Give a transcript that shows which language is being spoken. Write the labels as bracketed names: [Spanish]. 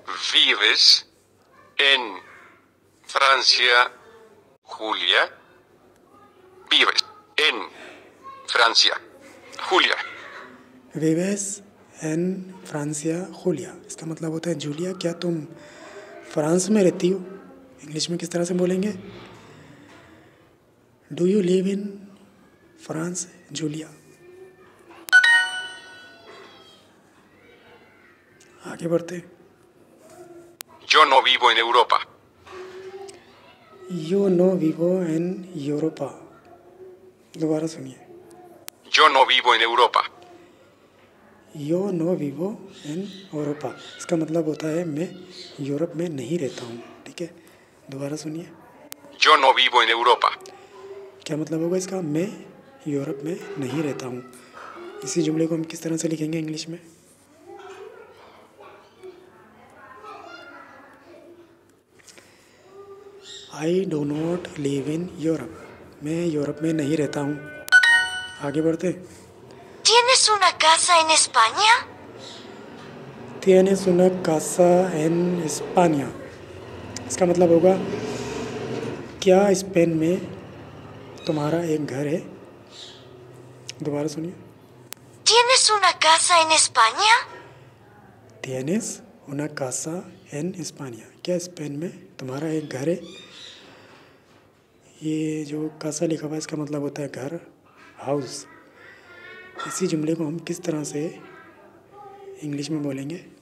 [Spanish] Vives en Francia, Julia. Vives en Francia, Julia. Vives en Francia, Julia. [Hindi] इसका मतलब होता है जूलिया, क्या तुम फ्रांस में रहती हो? इंग्लिश में किस तरह से बोलेंगे? [English] Do you live in France, Julia? [Hindi] आगे बढ़ते। [Spanish] Yo no vivo en Europa. Yo no vivo en Europa. [Hindi] दोबारा सुनिए। [Spanish] Yo no vivo en Europa. Yo no vivo en Europa. [Hindi] इसका मतलब होता है मैं यूरोप में नहीं रहता हूँ। ठीक है, दोबारा सुनिए। [Spanish] Yo no vivo en Europa. [Hindi] क्या मतलब होगा इसका? मैं यूरोप में नहीं रहता हूँ। इसी जुमले को हम किस तरह से लिखेंगे इंग्लिश में? [English] I do not live in Europe. [Hindi] मैं यूरोप में नहीं रहता हूँ। आगे बढ़ते। [Spanish] Tienes una casa en España? Tienes una casa en España. [Hindi] इसका मतलब होगा क्या स्पेन में तुम्हारा एक घर है? दोबारा सुनिए। Tienes una casa en España? Tienes una casa en España. क्या स्पेन में तुम्हारा एक घर है? ये जो कासा लिखा हुआ है इसका मतलब होता है घर, हाउस। इसी जुमले को हम किस तरह से इंग्लिश में बोलेंगे?